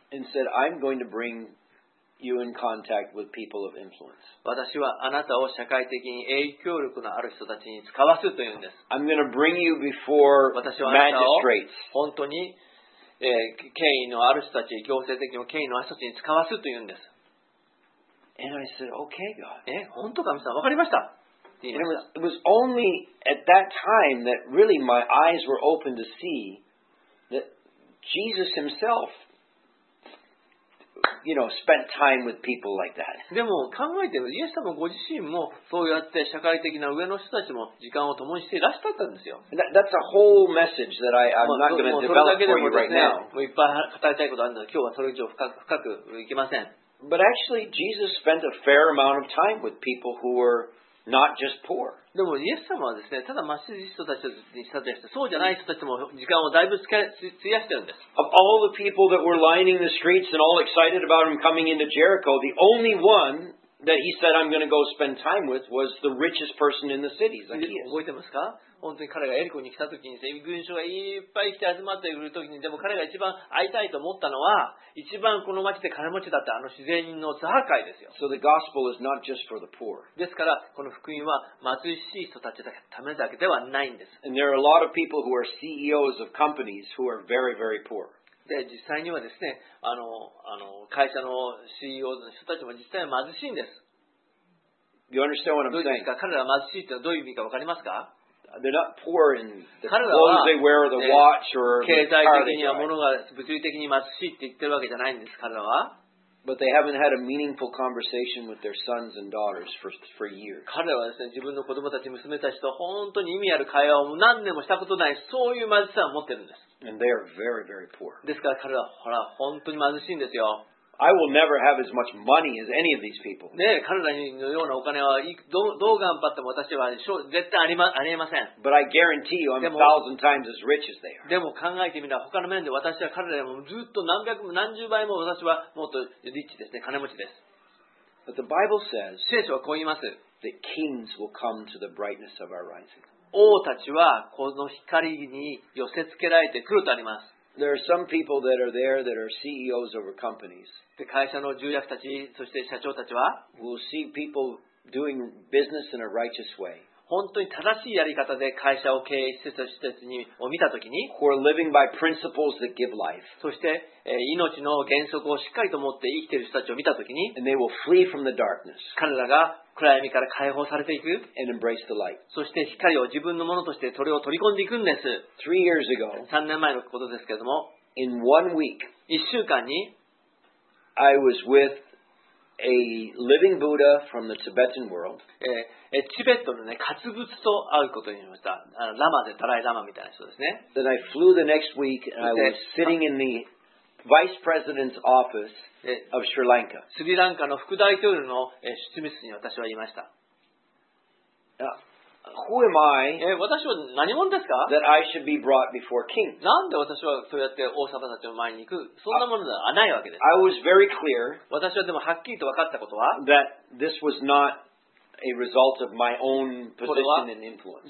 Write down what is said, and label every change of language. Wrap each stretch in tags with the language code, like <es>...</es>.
<en>And said, I'm going to bring you in contact with people of influence.</en> <ja>私はあなたを社会的に影響力のある人たちに使わすというんです。</ja> <en>I'm going to bring you before magistrates.</en> <ja>本当に権威のある人たち、行政的にも権威のある人たちに使わすというんです。</ja> <en>And I said, okay, God.</en> <ja>本当か、神様、わかりました。</ja> <en>It was only at that time that really my eyes were open to see that Jesus himself, you know, spent time with people like that.</en> <ja>でも考えてみると、イエス様ご自身もそうやって社会的な上の人たちも時間を共にしていらっしゃったんですよ。</ja> <en>That's a whole message that I'm not going to develop for you right now.</en> <ja>もういっぱい語りたいことあるんだけど、今日はそれ以上深くいきません。</ja> <en>But actually, Jesus spent a fair amount of time with people who were not just poor.</en> <ja>でもイエス様はですね、ただ貧しい人たちにしたとして、そうじゃない人たちも時間をだいぶ費やしてるんです。</ja> <en>Of all the people that were lining the streets and all excited about him coming into Jericho, the only one that he said I'm going to go spend time with was the richest person in the city, Zacchaeus.</en> <ja>覚えてますか？本当に彼がエリコに来た時に、全軍将がいっぱい来て集まっている時に、でも彼が一番会いたいと思ったのは、一番この町で金持ちだったあの自然人のザーカイですよ。</ja> <en>So the gospel is not just for the poor.</en> <ja>ですから、この福音は貧しい人たちのためだけではないんです。</ja> <en>And there are a lot of people who are CEOs of companies who are very, very poor.</en> <ja>で実際にはですね、会社の CEO の人たちも実際は貧しいんです。</ja> <en>You understand what I'm saying?</en> <ja>どういう意味か、彼らは貧しいというのはどういう意味か分かりますか？</ja> <en>They're not poor in the clothes they wear or the watch or the car they drive.</en> <ja>経済的には物が物理的に貧しいって言ってるわけじゃないんです、彼らは。</ja> <en>But they haven't had a meaningful conversation with their sons and daughters for years.</en> <ja>彼らはですね、自分の子供たち、娘たちと本当に意味ある会話を何年もしたことない、そういう貧しさを持ってるんです。</ja> <en>And they are very, very poor.</en> <ja>ですから彼らは、ほら、本当に貧しいんですよ。</ja> <en>I will never have as much money as any of these people.</en> <ja>ね、彼らのようなお金はどう頑張っても私は絶対ありえません。</ja> <en>But I guarantee you, I'm 1,000 times as rich as they are.</en> <ja>でも考えてみれば他の面で私は彼らよりもずっと何百も何十倍も私はもっとリッチですね、金持ちです。</ja> <en>But the Bible says,</en> <ja>聖書はこう言います。</ja> <en>That kings will come to the brightness of our rising.</en> <ja>王たちはこの光に寄せ付けられてくるとあります。</ja> <en>There are some people that are there that are CEOs over companies.</en> <ja>で、会社の重役たち、そして社長たちは、</ja> <en>will see people doing business in a righteous way.</en> <ja>本当に正しいやり方で会社を経営して施設にを見たときに、</ja> <en>who are living by principles that give life.</en> <ja>そして、命の原則をしっかりと持って生きている人たちを見たときに、</ja> <en>and they will flee from the darkness.</en> <ja>彼らが暗闇から解放されていく、</ja> <en>and embrace the light.</en> <ja>そして光を自分のものとしてそれを取り込んでいくんです。</ja> <en>3 years ago,</en> <ja>3年前のことですけれども、</ja> <en>in one week,</en> <ja>1週間に、</ja> <en>I was with a living Buddha from the Tibetan world.</en> <ja>チベットのね、活仏と会うことになりました。ラマで、ダライラマみたいな人ですね。</ja> <en>Then I flew the next week and I was sitting in the vice president's office of Sri Lanka.</en> <ja>スリランカの副大統領の執務室に私はいました。</ja> <en>Who am I?</en> <ja>私は何者ですか</ja> <en>？That I should be brought before kings.</en> <ja>なんで私はそうやって王様たちの前に行く？そんなものではないわけです。</ja> <en>I was very clear.</en> <ja>私はでもはっきりと分かったことは、</ja> <en>that this was not a result of my own position and influence.</en>